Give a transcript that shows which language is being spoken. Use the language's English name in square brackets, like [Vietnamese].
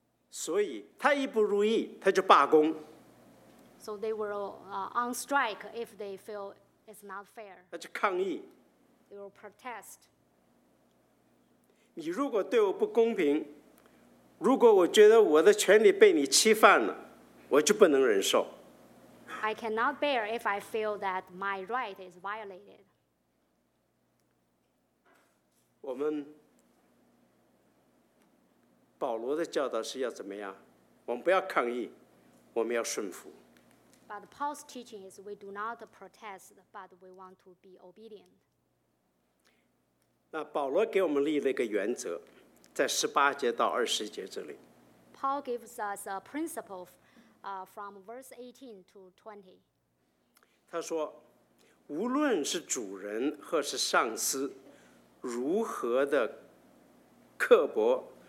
[Chinese] 所以他一不如意，他就罢工。 [English] So they will on strike if they feel it's not fair. [Chinese] 他就抗议。 [English] They will protest. [Chinese] 你如果对我不公平，如果我觉得我的权利被你侵犯了，我就不能忍受。 [English] I cannot bear if I feel that my right is violated. [Chinese] 我们保罗的教导是要怎么样？我们不要抗议，我们要顺服。 [English] But Paul's teaching is we do not protest, but we want to be obedient. [Chinese] 那保罗给我们立了一个原则，在十八节到二十节这里。 [English] Paul gives us a principle, from verse 18 to 20. [Chinese] 他说，无论是主人或是上司，如何的刻薄。